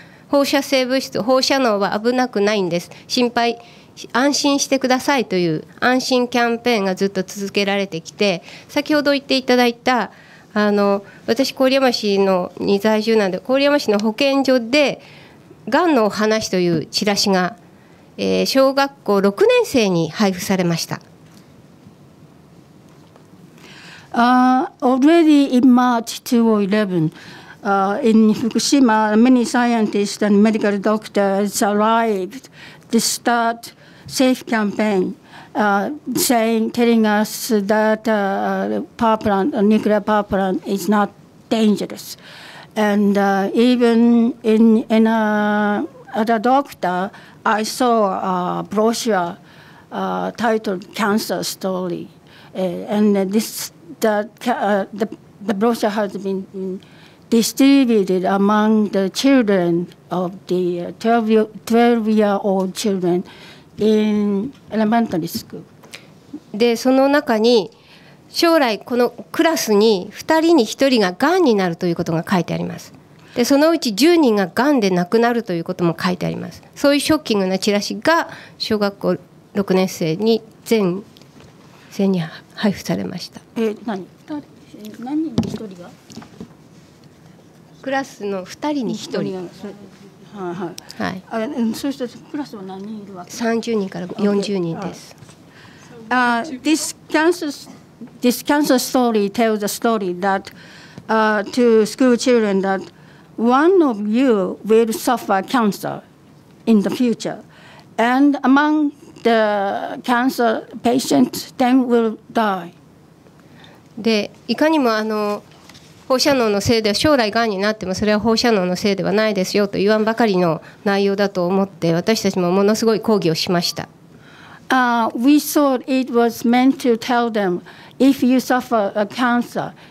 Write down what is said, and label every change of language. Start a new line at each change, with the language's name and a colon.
Japanese: 放射性物質、放射能は危なくないんです。心配、安心してくださいという安心キャンペーンがずっと続けられてきて、先ほど言っていただいた、私、郡山市のに在住なんで、郡山市の保健所で、がんのお話というチラシが、小学校6年生に配布されました。
English: Already in March 2011,in Fukushima, many scientists and medical doctors arrived to start safe campaign, telling us that nuclear power plant is not dangerous. And even in at a doctor, I saw a brochure titled "Cancer Story," and the brochure has been distributed among the children of the 12-year-old children in elementary school.
Japanese: で、その中に将来このクラスに2人に1人が癌になるということが書いてあります。で、そのうち10人が癌で亡くなるということも書いてあります。そういうショッキングなチラシが小学校6年生に全生に配布されました。何人に1人が？クラスの2人に1人。はいはいはい。そうしたらクラスは何人いるわけ？ 30人から40人です。
English: This cancer story tells a story that to school children that one of you will suffer cancer in the future, and among the cancer patients, ten will die.
Japanese: で、いかにも放射能のせいで将来がんになってもそれは放射能のせいではないですよと言わんばかりの内容だと思って、私たちもものすごい抗議をしました。
English: We thought it was meant to tell them if you suffer a cancer